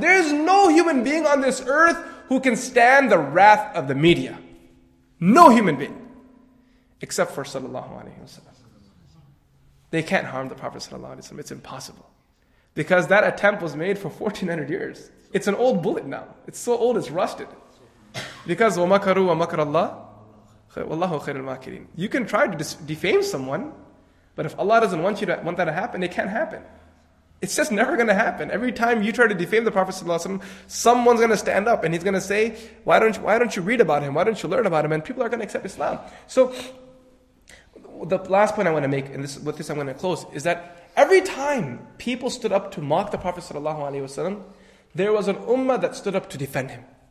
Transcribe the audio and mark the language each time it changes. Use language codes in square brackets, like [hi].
[en] There's no human being on this earth who can stand the wrath of the media. No human being. Except for sallallahu alaihi wasallam. They can't harm the Prophet sallallahu alaihi wasallam. It's impossible. Because that attempt was made for 1400 years. It's an old bullet now. It's so old, it's rusted. Because [ar] وَمَكَرُوا وَمَكَرَ اللَّهِ وَاللَّهُ خَيْرُ الْمَاكِرِينَ. [en] You can try to defame someone, but if Allah doesn't want you to want that to happen, it can't happen. It's just never going to happen. Every time you try to defame the Prophet ﷺ, someone's going to stand up and he's going to say, why don't you read about him? Why don't you learn about him? And people are going to accept Islam. So the last point I want to make, and with this I'm going to close, is that every time people stood up to mock the Prophet ﷺ, there was an ummah that stood up to defend him.